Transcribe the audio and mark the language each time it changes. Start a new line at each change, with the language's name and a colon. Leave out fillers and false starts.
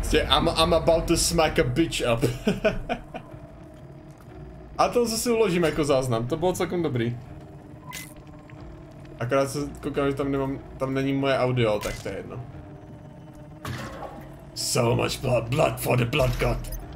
English: I'm about to smack a bitch up.
Czech: A to zase uložím jako záznam, to bylo celkem dobrý. Akorát se koukám, že tam není moje audio, tak to je jedno.
English: So much blood for the blood god.